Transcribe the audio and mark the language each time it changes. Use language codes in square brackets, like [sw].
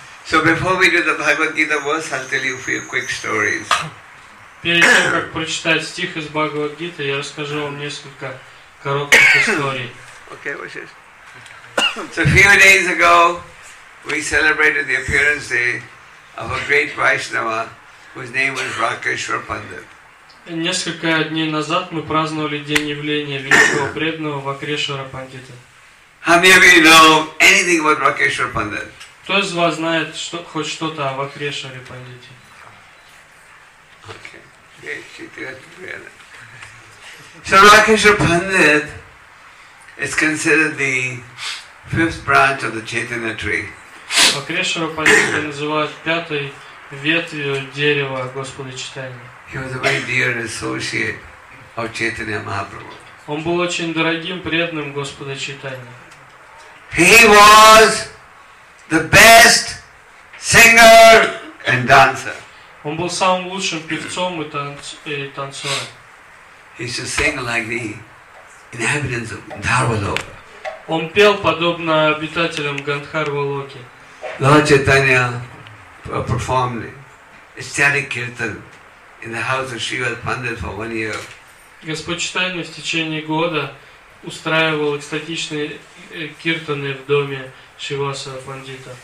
[en] So before we do the Bhagavad Gita verse, I'll tell you a few quick stories. [ru] Перед тем, как прочитать стих из Бхагавад Гиты, я расскажу вам несколько коротких историй. [en] Okay, what's this? So a few days ago, we celebrated the appearance day of a great Vaishnava whose name was Rakeshwar Pandit. [ru] Несколько дней назад мы праздновали день явления великого преданного Вакрешвара Пандита. [en] How many of you know anything about Rakeshwar Pandit? [ru] Кто из вас знает что, хоть что-то о Вакрешваре Пандите? [en] So Rakeshwar Pandit is considered the fifth branch of the Chaitanya tree. [ru] Вакрешвара Пандита называют пятой ветвью дерева Господа Читания. [en] He was a very dear associate of Chaitanya Mahaprabhu. [ru] Он был очень дорогим преданным Господа Читания. [en] He was the best singer and dancer. [ru] Он был самым лучшим певцом и танцором. [en] He used to sing like the inhabitants of Dharvaloka. [ru] Он пел подобно обитателям Гандхарвалоки. [en] Lord Chaitanya performed ecstatic kirtan in the house of Shrivad Pandit for 1 year. [ru] Господь Читания в течение года устраивал экстатичные киртаны в доме Шриваса Пандита.